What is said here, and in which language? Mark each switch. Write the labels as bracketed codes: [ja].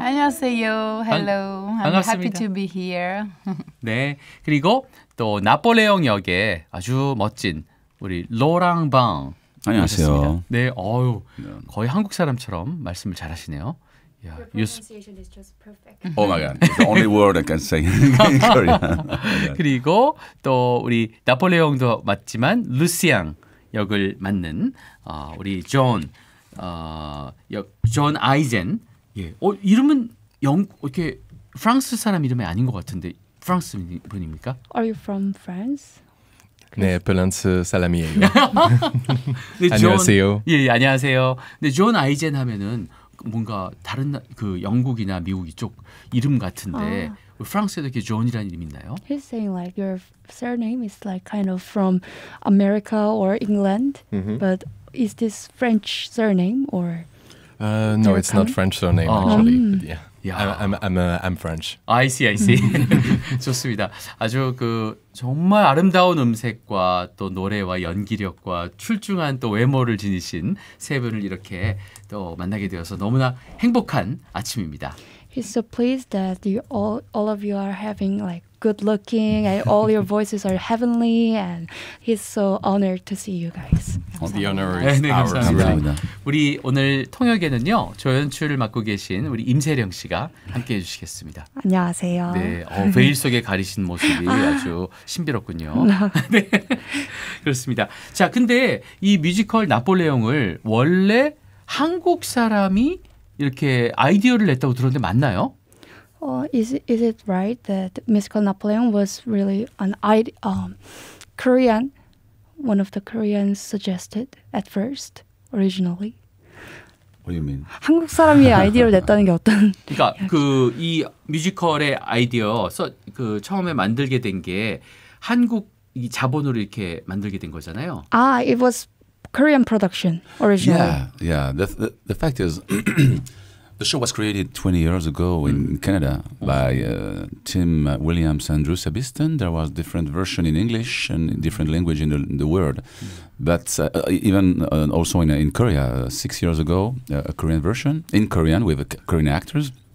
[ko] 안녕하세요. [en] Hello. [ko] 반갑습니다. [en] I'm happy to be here. [ko] 네, 그리고 또 나폴레옹 역의 아주 멋진 우리 로랑 방. 안녕하세요. 네, 어유 거의 한국 사람처럼 말씀을 잘하시네요. [en] Your pronunciation is just perfect. Oh my God. The only word I can say in Korean. [ko] 그리고 또 우리 나폴레옹도 맞지만 루시앙 역을 맡는 우리 존 역 존 아이젠. 예. 이름은 이렇게 프랑스 사람 이름이 아닌 것 같은데 프랑스 분입니까? [en] Are you from France? [ko] 네, 프랑스 사람이에요. 네, 안녕하세요. 예, 안녕하세요. 네, 존 아이젠 하면은 뭔가 다른 그 영국이나 미국 이쪽 이름 같은데 프랑스에도 이렇게 존이라는 이름 있나요? [en] He's saying like your surname is like kind of from America or England, mm-hmm. but is this French surname or? No, it's not French surname actually. I'm French. I see, I see. [ko] 좋습니다. 아주 그 정말 아름다운 음색과 또 노래와 연기력과 출중한 또 외모를 지니신 세 분을 이렇게 또 만나게 되어서 너무나 행복한 아침입니다. [en] He's so pleased that you all of you are having like good looking and all your voices are heavenly and he's so honored to see you guys. Well, the honor is ours. 네, [ko] 감사합니다. 우리 오늘 통역에는요 조연출을 맡고 계신 우리 임세령 씨가 함께해 주시겠습니다. 안녕하세요. 네, 베일 속에 가리신 모습이 아주 신비롭군요. 네, 그렇습니다. 자, 근데 이 뮤지컬 나폴레옹을 원래 한국 사람이 이렇게 아이디어를 냈다고 들었는데 맞나요? [en] Is it right that musical Napoleon was really an idea, Korean, one of the Koreans suggested at first, originally? What do you mean? [ko] 한국 사람이 아이디어를 냈다는 게 어떤? 그러니까 그 이 뮤지컬의 아이디어 그 처음에 만들게 된 게 한국 자본으로 이렇게 만들게 된 거잖아요. [en] It was Korean production originally. Yeah. The fact is, the show was created 20 years ago in Canada by Tim Williams and Drew Sabiston. There was different version in English and different language in the world, but also in Korea 6 years ago, a Korean version in Korean with Korean actors.